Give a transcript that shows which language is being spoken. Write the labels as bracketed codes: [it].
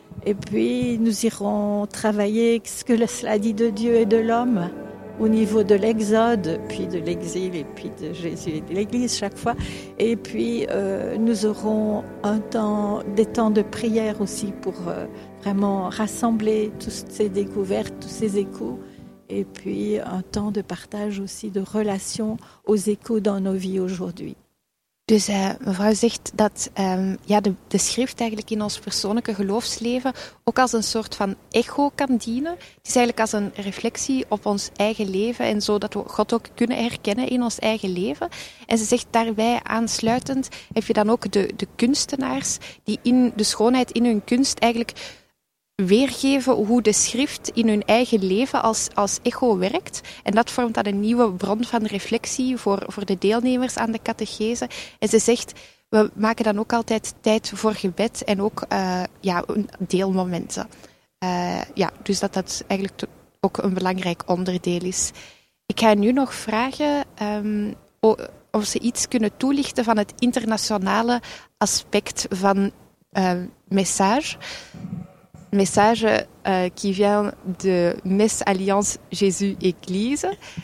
[fr] Et puis nous irons travailler ce que cela dit de Dieu et de l'homme au niveau de l'exode, puis de l'exil, et puis de Jésus et de l'Église chaque fois. Et puis nous aurons des temps de prière aussi pour vraiment rassembler toutes ces découvertes, tous ces échos, et puis un temps de partage aussi de relations aux échos dans nos vies aujourd'hui. [nl] Dus mevrouw zegt dat de schrift eigenlijk in ons persoonlijke geloofsleven ook als een soort van echo kan dienen. Het is eigenlijk als een reflectie op ons eigen leven en zo dat we God ook kunnen herkennen in ons eigen leven. En ze zegt daarbij aansluitend heb je dan ook de kunstenaars die in de schoonheid in hun kunst eigenlijk weergeven hoe de schrift in hun eigen leven als echo werkt. En dat vormt dan een nieuwe bron van reflectie voor de deelnemers aan de catechese. En ze zegt, we maken dan ook altijd tijd voor gebed en ook deelmomenten. Dus dat eigenlijk ook een belangrijk onderdeel is. Ik ga nu nog vragen of ze iets kunnen toelichten van het internationale aspect van message. [fr] Message qui vient de Messe Alliance Jésus-Église.